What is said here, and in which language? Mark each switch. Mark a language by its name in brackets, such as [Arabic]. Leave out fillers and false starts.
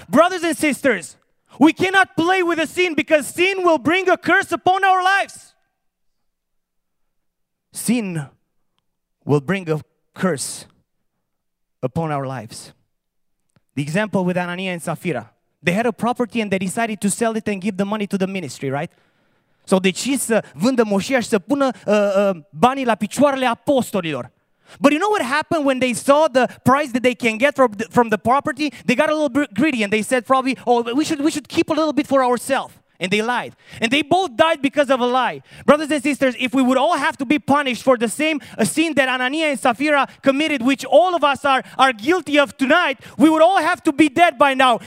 [English] Brothers and sisters, we cannot play with a sin because sin will bring a curse upon our lives. Sin will bring a curse upon our lives. The example with Ananias and Sapphira. They had a property and they decided to sell it and give the money to the ministry, right? So they [Romanian] decis să vândă moșia și să pună banii la picioarele apostolilor. [English] But you know what happened when they saw the price that they can get from the property? They got a little bit greedy and they said probably, oh, we should keep a little bit for ourselves. And they lied. And they both died because of a lie. Brothers and sisters, if we would all have to be punished for the same sin that Ananias and Sapphira committed, which all of us are guilty of tonight, we would all have to be dead by now.